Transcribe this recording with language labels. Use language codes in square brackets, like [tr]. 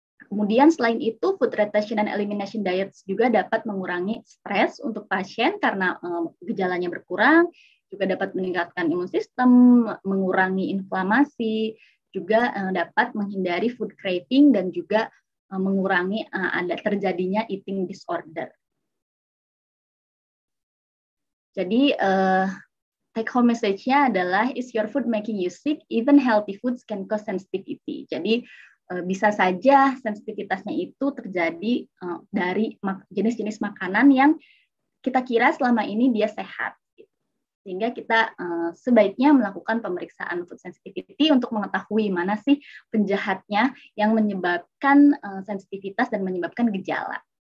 [id] Kemudian selain itu, [en] food retention and elimination diets [id] juga dapat mengurangi stres untuk pasien karena gejalanya berkurang, juga dapat meningkatkan imun sistem, mengurangi inflamasi, juga dapat menghindari food craving, dan juga mengurangi ada terjadinya eating disorder. Jadi, take home message-nya adalah, [en] is your food making you sick? Even healthy foods can cause sensitivity. [id] Jadi, bisa saja sensitivitasnya itu terjadi dari jenis-jenis makanan yang kita kira selama ini dia sehat. Sehingga kita sebaiknya melakukan pemeriksaan food sensitivity untuk mengetahui mana sih penjahatnya yang menyebabkan sensitivitas dan menyebabkan gejala.